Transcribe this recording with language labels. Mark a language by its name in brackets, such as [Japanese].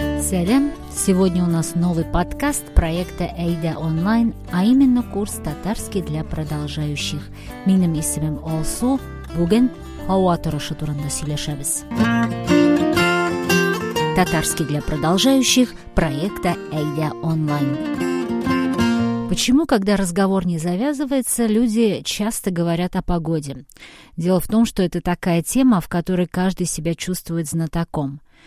[Russian] Сэлем, сегодня у нас новый подкаст проекта Эйда Онлайн, а именно курс татарский для продолжающих. [Tatar] Миним исимим Алсу, буген хава торышы турында сөйләшәбез. [Russian] Татарский для продолжающих проекта Эйда Онлайн. Почему, когда разговор не завязывается, люди часто говорят о погоде? Дело в том, что это такая тема, в которой каждый себя чувствует знатоком.